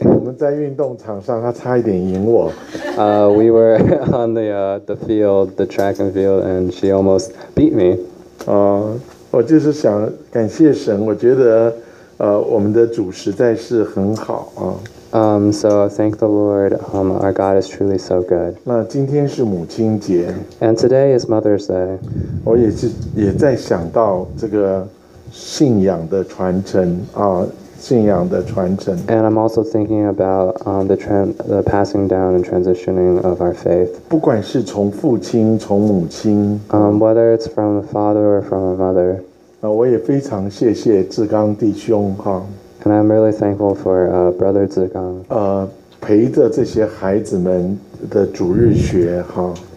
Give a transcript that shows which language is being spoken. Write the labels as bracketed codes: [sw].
[zh] 我们在运动场上，他差一点赢我。 [en] We were on the field, the track and field, and she almost beat me. [zh] 我就是想感谢神，我觉得。我们的主实在是很好啊。 [en] So thank the Lord. Our God is truly so good. [zh] 那今天是母亲节。 [en] And today is Mother's Day. [zh] 我也在想到这个信仰的传承啊，信仰的传承。 [en] And I'm also thinking about the passing down and transitioning of our faith. [zh] 不管是从父亲，从母亲。 [en] Whether it's from a father or from a mother. [zh] 我也非常谢谢志刚弟兄哈。 [en] And I'm really thankful for Brother Zigong. [zh] 陪着这些孩子们的主日学哈。